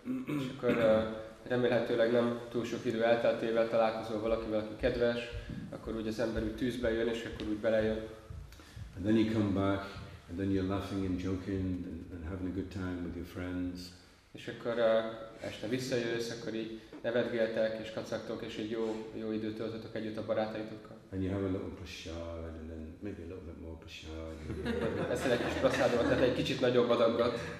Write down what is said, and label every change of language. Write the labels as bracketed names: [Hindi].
[Hungarian] És akkor remélhetőleg nem túl sok idő elteltével találkozol valakivel, aki kedves, akkor úgy az ember úgy tűzbe jön, és akkor úgy belejön. [English] And then you come back, and then you're laughing and joking and having a good time with your friends. [Hungarian] És akkor este visszajössz, akkor így nevetgéltek és kacagtok, és egy jó időt töltötök együtt a barátaitokkal. [English] And you have a little prasad, and then maybe a little bit more prasad. [Hungarian] Eszel egy kis prasadot, tehát egy kicsit nagyobb adagot.